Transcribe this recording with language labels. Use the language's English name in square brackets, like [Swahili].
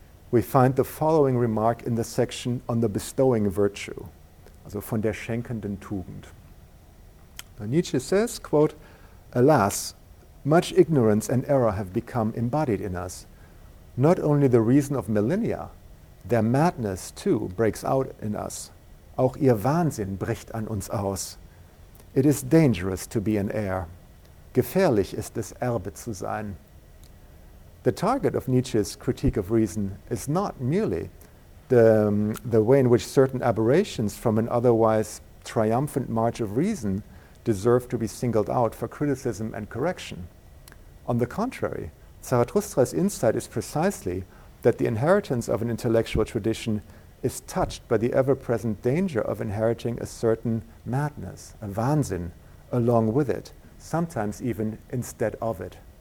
[English] We find the following remark in the section on the bestowing virtue, also [German] von der schenkenden Tugend. [English] Now Nietzsche says, quote, "Alas, much ignorance and error have become embodied in us. Not only the reason of millennia, their madness too breaks out in us. [German] Auch ihr Wahnsinn bricht an uns aus. [English] It is dangerous to be an heir. [German] Gefährlich ist es, Erbe zu sein." [English] The target of Nietzsche's critique of reason is not merely the way in which certain aberrations from an otherwise triumphant march of reason deserve to be singled out for criticism and correction. On the contrary, Zarathustra's insight is precisely that the inheritance of an intellectual tradition is touched by the ever-present danger of inheriting a certain madness, a wahnsinn, along with it, sometimes even instead of it.